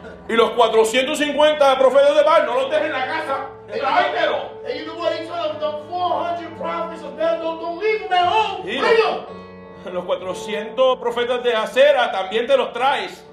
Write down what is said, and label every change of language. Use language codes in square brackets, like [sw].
[es] Y los 450 profetas de Baal, no los dejen en la casa. Tráetelo. [en] And you know what he told them? The 400 prophets of Baal, don't leave them at home. Bring them. [es] Los 400 profetas de Acera, también te los traes.